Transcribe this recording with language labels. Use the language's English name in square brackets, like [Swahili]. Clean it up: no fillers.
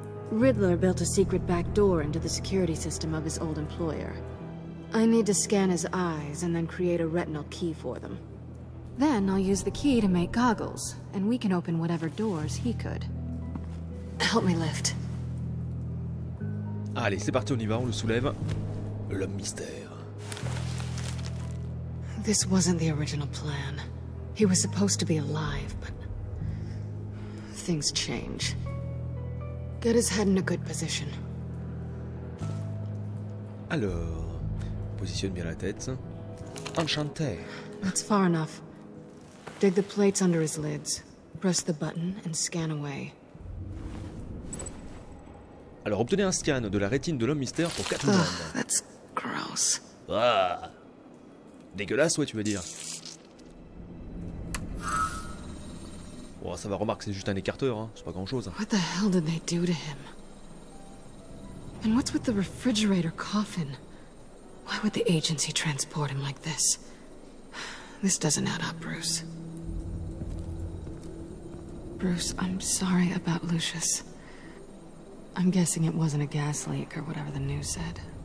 [English] Riddler built a secret back door into the security system of his old employer. I need to scan his eyes and then create a retinal key for them. Then I'll use the key to make goggles, and we can open whatever doors he could. Help me lift. [French] Allez, c'est parti, on y va, on le soulève. Le mystère. [English] This wasn't the original plan. He was supposed to be alive, but things change. Get his head in a good position. [French] Alors, positionne bien la tête. Enchanté. [English] That's far enough. Dig the plates under his lids. Press the button and scan away. [French] Alors, obtenez un scan de la rétine de l'homme mystère pour 4 secondes. [English] That's gross. [French] Ah. Dégueulasse, ouais, tu veux dire. Bon, ça va, remarquer, c'est juste un écarteur, hein. C'est pas grand-chose. [English] What the hell did they do to him? And what's with the refrigerator coffin? Why would the agency transport him like this? This doesn't add up, Bruce. Bruce, I'm sorry about Lucius. I'm guessing it wasn't a gas leak or whatever the news said.